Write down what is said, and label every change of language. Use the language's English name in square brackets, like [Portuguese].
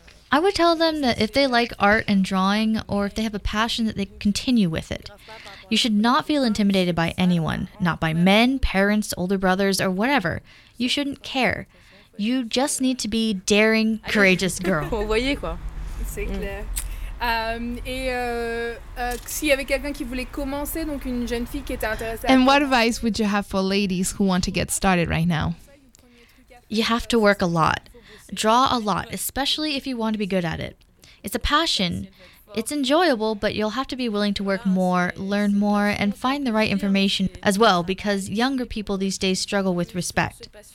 [English] I would tell them that if they like art and drawing, or if they have a passion, that they continue with it. You should not feel intimidated by anyone, not by men, parents, older brothers, or whatever. You shouldn't care. You just need to be daring, courageous girl. [French] Vous voyez quoi? C'est clair. Et s'il y avait quelqu'un qui voulait commencer, donc une jeune fille qui était intéressée. [English] And what advice would you have for ladies who want to get started right now? You have to work a lot. Draw a lot, especially if you want to be good at it. It's a passion. It's enjoyable, but you'll have to be willing to work more, learn more, and find the right information as well, because younger people these days struggle with respect.